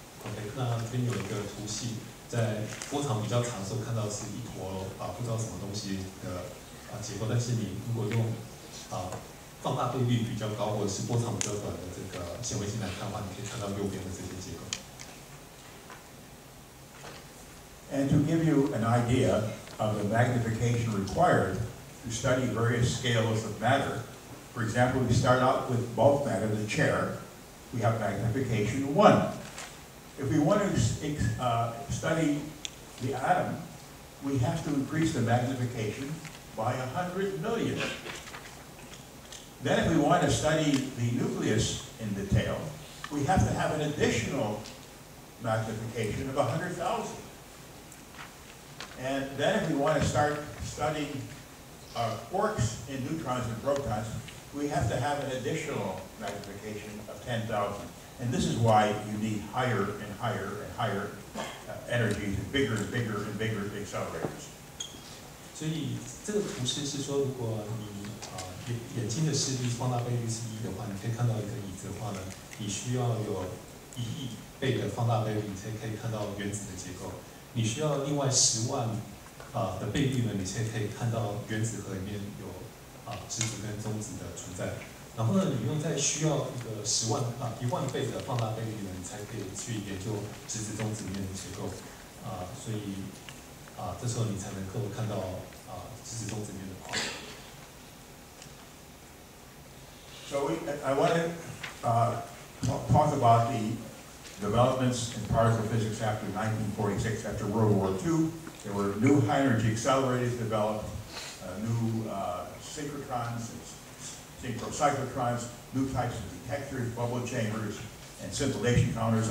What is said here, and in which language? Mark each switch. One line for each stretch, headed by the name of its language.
Chinese: OK， 那这边有一个图系，在波长比较长的时候看到是一坨不知道什么东西的结构，但是你如果用放大倍率比较高或者是波长比较短的这个显微镜来看的话，你可以看到右边的这些结构。
English: And to give you an idea of the magnification required to study various scales of matter, for example, we start out with bulk matter, the chair, we have magnification 1. If we want to study the atom, we have to increase the magnification by 100 million. Then if we want to study the nucleus in detail, we have to have an additional magnification of 100,000. And then if we want to start studying quarks in neutrons and protons, we have to have an additional magnification of 10,000. And this is why you need higher and higher and higher energies, bigger and bigger and bigger accelerators.
Chinese: 所以这个图示是说，如果你眼睛的视力放大倍率是一的话，你可以看到一个椅子的话呢，你需要有一亿倍的放大倍率，你才可以看到原子的结构。你需要另外十万的倍率呢，你才可以看到原子核里面有质子跟中子的存在。然后呢，你又再需要一个一万倍的放大倍率呢，你才可以去研究质子中子里面的结构。所以这时候你才能够看到质子中子里面的光。
English: So I want to talk about the developments in particle physics after 1946, after World War II. There were new high energy accelerators developed, new synchrocyclotrons, new types of detectors, bubble chambers, and scintillation counters.